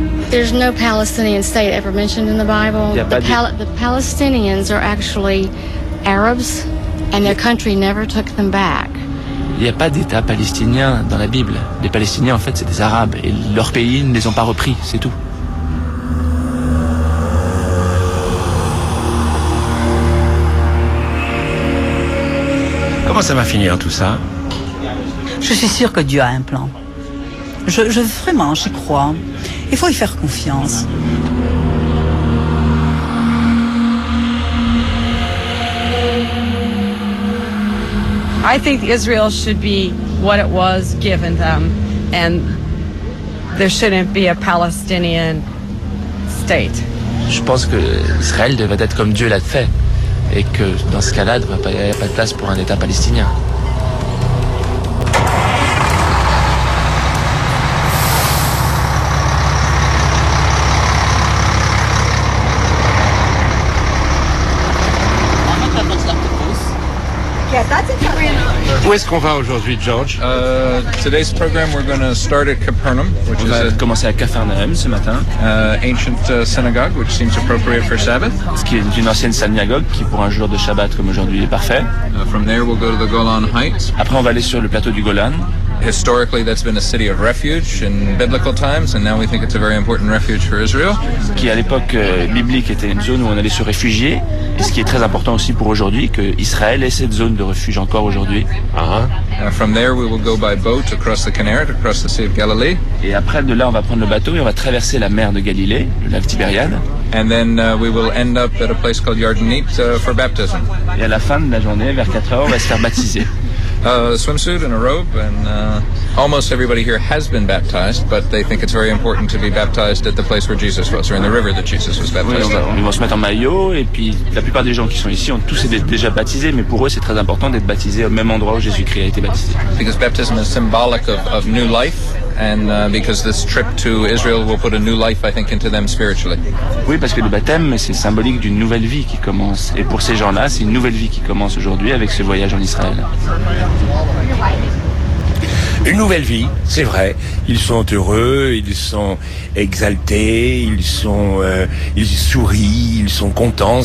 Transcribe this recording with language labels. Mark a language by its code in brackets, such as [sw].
[en] There's no Palestinian state ever mentioned in the Bible. The Palestinians are actually Arabs and their country never took them back. [fr] Il n'y a pas d'État palestinien dans la Bible. Les Palestiniens, en fait, c'est des Arabes. Et leur pays ne les ont pas repris, c'est tout. ça va finir tout ça? Je suis sûre que Dieu a un plan. Je vraiment, j'y crois. Il faut y faire confiance. [en] I think Israel should be what it was given them, and there shouldn't be a Palestinian state. [fr] Je pense que Israël devait être comme Dieu l'a fait, et que dans ce cas-là, il n'y a pas de place pour un État palestinien. Où est-ce qu'on va aujourd'hui, George? [en] Today's program, we're going to start at Capernaum, which on is [fr] va commencer à Capernaum ce matin. [en] Ancient synagogue, which seems appropriate for Sabbath. [fr] Ce qui est une ancienne synagogue qui pour un jour de Shabbat comme aujourd'hui est parfait. [en] From there, we'll go to the Golan Heights. [fr] Après, on va aller sur le plateau du Golan. [en] Historically, that's been a city of refuge in biblical times, and now we think it's a very important refuge for Israel. [fr] Qui à l'époque biblique était une zone où on allait se réfugier, et ce qui est très important aussi pour aujourd'hui, que Israël ait cette zone de refuge encore aujourd'hui. [en] From there, we will go by boat across the Kinneret, across the Sea of Galilee. [fr] Et après de là, on va prendre le bateau et on va traverser la mer de Galilée, le lac Tibériade. [en] And then we will end up at a place called Yardenit for baptism. [fr] Et à la fin de la journée, vers 4 heures, on va se faire baptiser. [en] A swimsuit and a rope, and almost everybody here has been baptized, but they think it's very important to be baptized at the place where Jesus was, or in the river that Jesus was baptized. [fr] Oui, ils vont se mettre en maillot, et puis la plupart des gens qui sont ici ont tous été déjà baptisés, mais pour eux c'est très important d'être baptisé au même endroit où Jésus-Christ a été baptisé. [en] Because baptism is symbolic of new life, and because this trip to Israel will put a new life, I think, into them spiritually. [fr] Oui, parce que le baptême, c'est symbolique d'une nouvelle vie qui commence. Et pour ces gens-là, c'est une nouvelle vie qui commence aujourd'hui avec ce voyage en Israël. Une nouvelle vie, c'est vrai. Ils sont heureux, ils sont exaltés, ils sourient, ils sont contents.